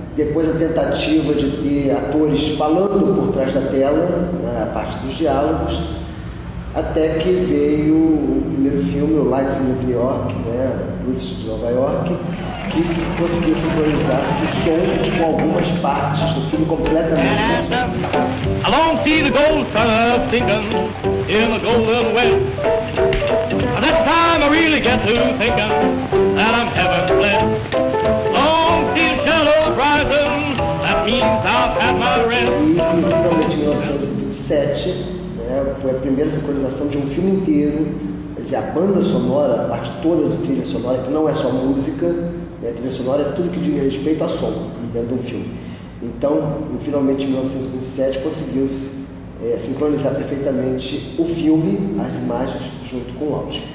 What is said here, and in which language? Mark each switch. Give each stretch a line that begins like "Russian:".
Portuguese: Depois a tentativa de ter atores falando por trás da tela, né, a parte dos diálogos. Até que veio o primeiro filme, o Lights in New York, né, Luzes de Nova York, que conseguiu sincronizar o som com algumas partes do filme completamente sem som.
English: Along see the gold sun sinking in the golden west. That time I really get to thinking that I'm heaven blessed. Along see the shadows rising, that means I've had my rest.
Portuguese: E finalmente em 1927, foi a primeira sincronização de um filme inteiro, quer dizer, a banda sonora, a parte toda de trilha sonora, que não é só música, né? Trilha sonora é tudo que diz respeito a som dentro de um filme. Então, finalmente em 1927, conseguiu-se sincronizar perfeitamente o filme, as imagens, junto com o áudio.